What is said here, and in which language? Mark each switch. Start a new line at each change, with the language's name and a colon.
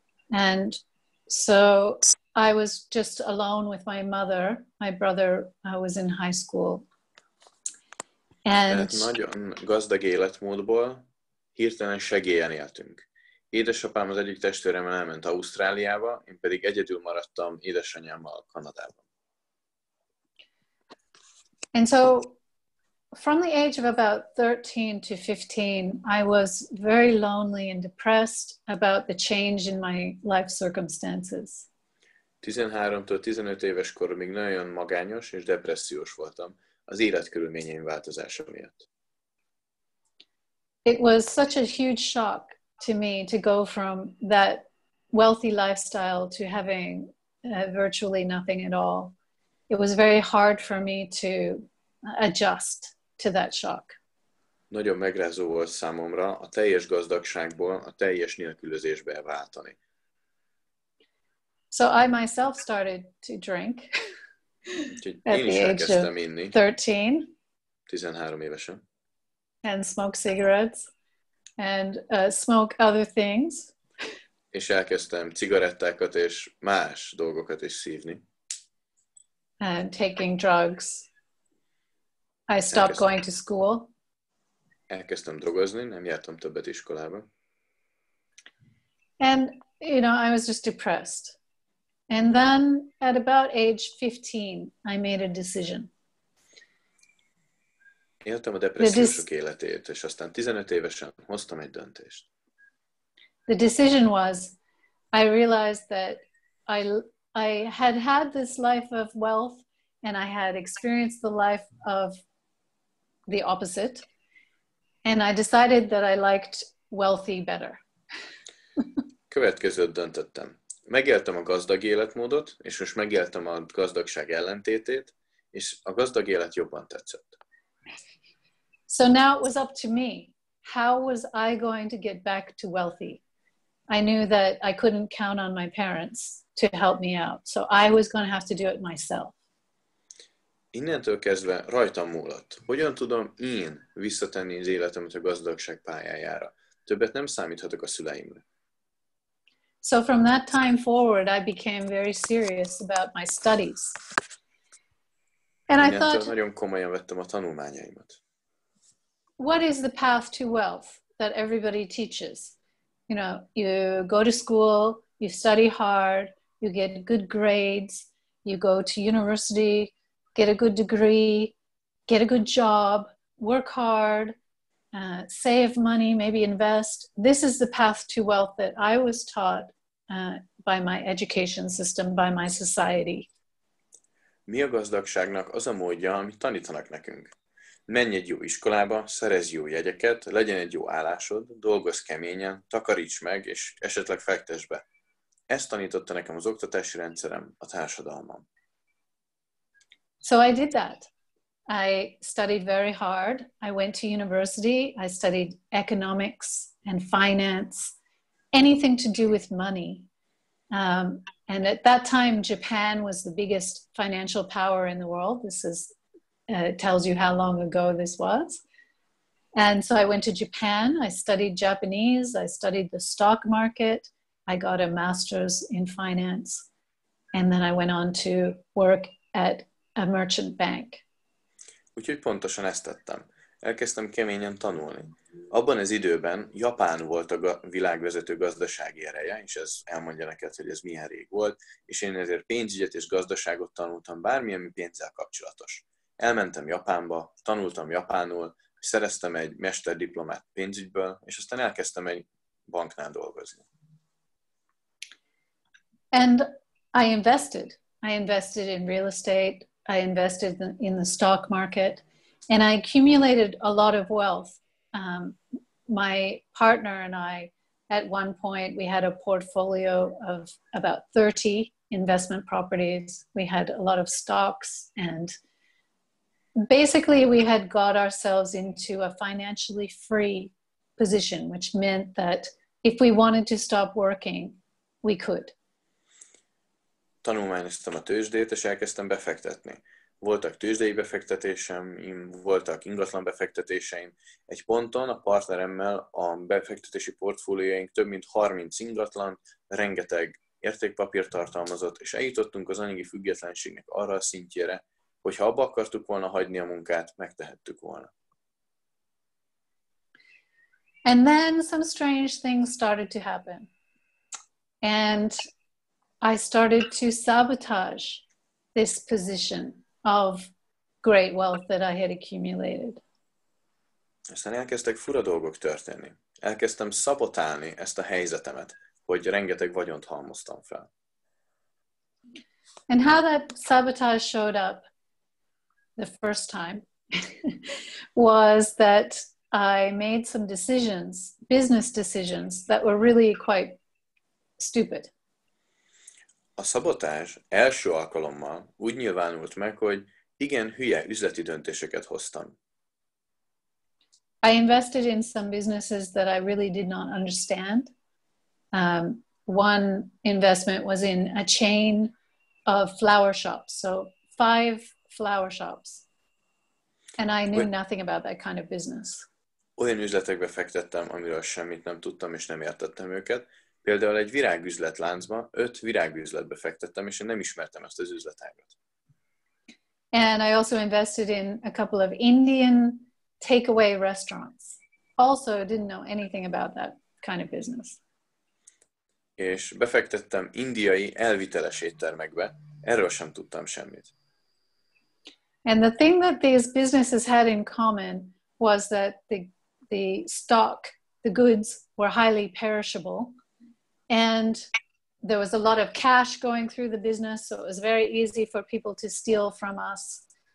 English: And so I was just alone with my mother. My brother was in high school.
Hungarian: And nagyon gazdag életmódból hirtelen segélyen éltünk. Édesapám az egyik testvéremmel elment Ausztráliába, én pedig egyedül maradtam édesanyámmal Kanadában.
English: And so from the age of about 13 to 15, I was very lonely and depressed about the change in my life circumstances.
Hungarian: 13-tól 15 éves koromig nagyon magányos és depressziós voltam az életkörülményeim változása miatt.
English: It was such a huge shock to me to go from that wealthy lifestyle to having virtually nothing at all. It was very hard for me to adjust to that shock.
Hungarian: Nagyon megrázó volt számomra a teljes gazdagságból a teljes nélkülözésbe váltani.
English: So I myself started to drink at the age of 13.
Hungarian: 13 évesen.
English: And smoke cigarettes and smoke other things.
Hungarian: És elkezdtem cigarettákat és más dolgokat is szívni.
English: And taking drugs. I stopped going to school.
Hungarian: Elkezdtem drogozni, nem jártam többet iskolába.
English: And, you know, I was just depressed. And then, at about age 15, I made a decision.
Hungarian: Éltem a depressziósok életét, és aztán 15 évesen hoztam egy döntést.
English: The decision was, I realized that I had had this life of wealth, and I had experienced the life of the opposite, and I decided that I liked wealthy better.
Hungarian: Következőt döntöttem. Megéltem a gazdag életmódot, és most megéltem a gazdagság ellentétét, és a gazdag élet jobban tetszett.
English: So now it was up to me. How was I going to get back to wealthy? I knew that I couldn't count on my parents to help me out, so I was going to have to do it myself.
Hungarian: Innentől kezdve rajtam múlott. Hogyan tudom én visszatenni az életemet a gazdagság pályájára? Többet nem számíthatok a szüleimre.
English: So from that time forward, I became very serious about my studies. And I thought,
Hungarian: nagyon komolyan vettem a tanulmányaimat.
English: What is the path to wealth that everybody teaches? You know, you go to school, you study hard, you get good grades, you go to university, get a good degree, get a good job, work hard, save money, maybe invest. This is the path to wealth that I was taught by my education system, by my society.
Hungarian: Mi a gazdagságnak az a módja, amit tanítanak nekünk? Menj egy jó iskolába, szerezj jó jegyeket, legyen egy jó állásod, dolgozz keményen, takaríts meg, és esetleg fektess be. Ezt tanította nekem az oktatási rendszerem, a társadalmam.
English: So I did that. I studied very hard. I went to university. I studied economics and finance, anything to do with money. And at that time, Japan was the biggest financial power in the world. This is tells you how long ago this was. And so I went to Japan. I studied Japanese. I studied the stock market. I got a master's in finance. And then I went on to work at a merchant bank.
Hungarian: Úgyhogy pontosan ezt tettem. elkezdtem keményen tanulni. Abban az időben Japán volt a világvezető gazdasági ereje, és ez elmondja neked, hogy ez milyen rég volt, és én ezért pénzügyet és gazdaságot tanultam bármilyen, ami pénzzel kapcsolatos. Elmentem Japánba, tanultam japánul, szereztem egy mesterdiplomát pénzügyből, és aztán elkezdtem egy banknál dolgozni.
English: And I invested. I invested in real estate, I invested in the stock market, and I accumulated a lot of wealth. My partner and I, at one point, we had a portfolio of about 30 investment properties. We had a lot of stocks, and basically we had got ourselves into a financially free position, which meant that if we wanted to stop working, we could.
Hungarian: Tanulmányoztam a tőzsdét, és elkezdtem befektetni. Voltak tőzsdei befektetéseim, voltak ingatlan befektetéseim. Egy ponton a partneremmel a befektetési portfóliaink több mint 30 ingatlan, rengeteg értékpapír tartalmazott, és eljutottunk az anyagi függetlenségnek arra a szintjére, hogy ha abba akartuk volna hagyni a munkát, megtehettük volna.
English: And then some strange things started to happen. And I started to sabotage this position of great wealth that I had accumulated.
Hungarian: Aztán elkezdtek fura dolgok történni. Elkezdtem szabotálni ezt a helyzetemet, hogy rengeteg vagyont halmoztam fel.
English: And how that sabotage showed up the first time was that I made some decisions, business decisions, that were really quite stupid.
Hungarian: A szabotás első alkalommal úgy nyilvánult meg, hogy igen hülye üzleti döntéseket hoztam.
English: I invested in some businesses that I really did not understand. One investment was in a chain of flower shops, so 5 flower shops. And I knew nothing about that kind of business.
Hungarian: Olyan üzletekbe fektettem, amiről semmit nem tudtam és nem értettem őket. Például egy virágüzletláncba, 5 virágüzletbe fektettem, és én nem ismertem ezt az üzletágat.
English: And I also invested in a couple of Indian takeaway restaurants. Also didn't know anything about that kind of business.
Hungarian: És befektettem indiai elviteles éttermekbe, erről sem tudtam semmit.
English: And the thing that these businesses had in common was that the stock, the goods were highly perishable. And there was a lot of cash going through the business, so it was very easy for people to steal from us.